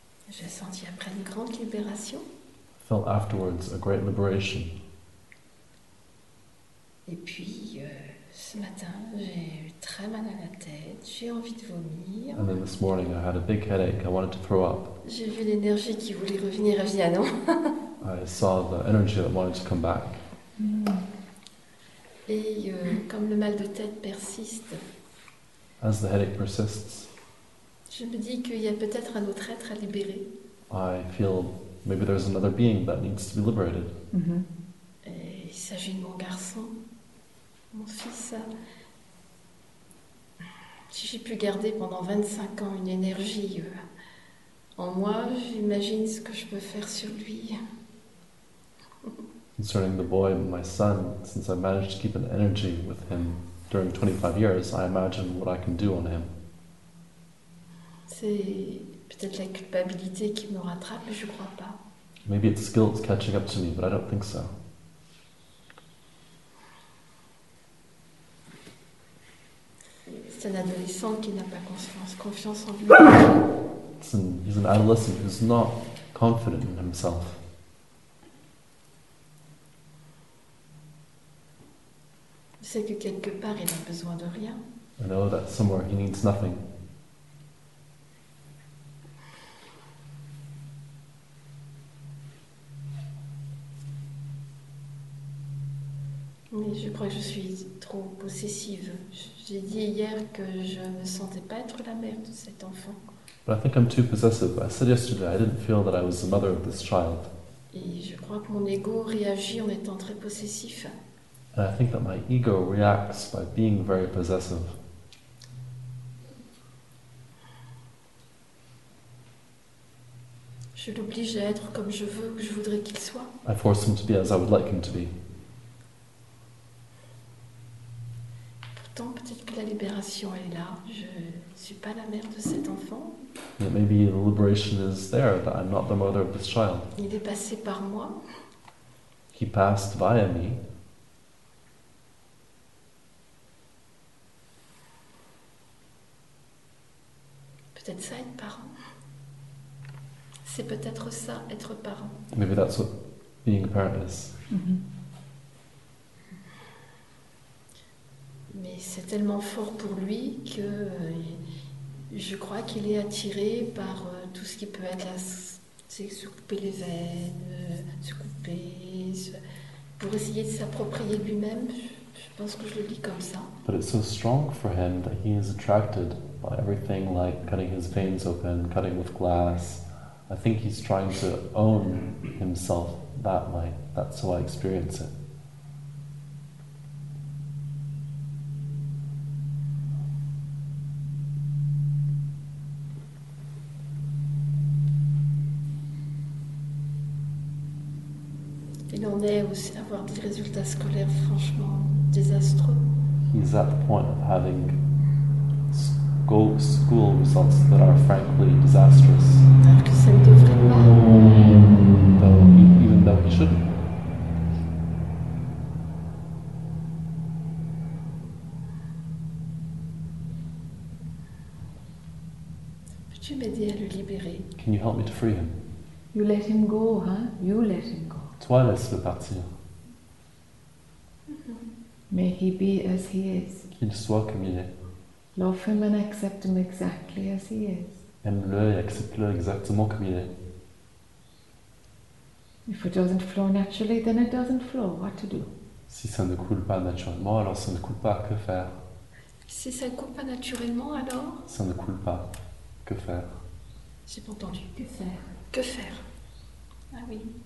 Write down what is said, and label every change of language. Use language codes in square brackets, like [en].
[fr] J'ai senti après une grande libération. [en] I felt afterwards a great liberation. [fr] Et puis ce matin, j'ai eu très mal à la tête, j'ai envie de vomir. [en] And then this morning I had a big headache, I wanted to throw up. [fr] J'ai vu l'énergie qui voulait revenir à vie, non? [en] I saw the energy that wanted to come back. [fr] Et comme le mal de tête persiste. [en] As the headache persists. [fr] Je me dis qu'il y a peut-être un autre être à libérer. [en] I feel maybe there's another being that needs to be liberated. Mm-hmm. [fr] Et il s'agit de mon garçon, mon fils. Si j'ai pu garder pendant 25 ans une énergie en moi, j'imagine ce que je peux faire sur lui. [en] Concerning the boy, my son, since I managed to keep an energy with him during 25 years, I imagine what I can do on him. [fr] C'est peut-être la culpabilité qui me rattrape, mais je ne crois pas. [en] Maybe it's guilt catching up to me, but I don't think so. [fr] C'est un adolescent qui n'a pas confiance en lui. [en] He's an adolescent who's not confident in himself. [fr] sais que quelque part il n'a besoin de rien. [en] I know that somewhere he needs nothing. [fr] Mais je crois que je suis trop possessive. J'ai dit hier que je ne sentais pas être la mère de cet enfant. [en] But I think I'm too possessive. I said yesterday I didn't feel that I was the mother of this child. [fr] Et je crois que mon ego réagit en étant très possessif. [en] And I think that my ego reacts by being very possessive. [fr] Je l'oblige à être comme je veux ou je voudrais qu'il soit. [en] I force him to be as I would like him to be. [fr] Pourtant, peut-être que la libération est là. Je ne suis pas la mère de cet enfant. [en] Yeah, maybe the liberation is there, that I'm not the mother of this child. [fr] Il est passé par moi. [en] He passed via me. [fr] Peut-être ça, être parent. C'est peut-être ça, être parent. [en] Maybe that's what being a parent is. Mm-hmm. [fr] Mais c'est tellement fort pour lui que... Je crois qu'il est attiré par tout ce qui peut être là, se couper les veines, se couper, pour essayer de s'approprier lui-même. Je pense que je le dis comme ça. [en] But it's so strong for him that he is attracted by everything like cutting his veins open, cutting with glass. I think he's trying to own himself that way. That's how I experience it. [fr] Il en est aussi d'avoir des résultats scolaires franchement désastreux. [en] He's at the point of having school results that are frankly disastrous. [fr] Alors que ça ne devrait pas. [en] Even though he shouldn't. [fr] Peux-tu m'aider à le libérer? [en] Can you help me to free him? You let him go, huh? You let him go. [fr] Toi, laisse-le partir. [en] May he be as he is. [fr] Qu'il soit comme il est. [en] Love him and accept him exactly as he is. [fr] Aime-le et accepte-le exactement comme il est. [en] If it doesn't flow naturally, then it doesn't flow. What to do? [fr] Si ça ne coule pas naturellement, alors ça ne coule pas. Que faire? Si ça ne coule pas naturellement, alors? Ça ne coule pas. Que faire? J'ai pas entendu. Que faire? Que faire? Ah oui.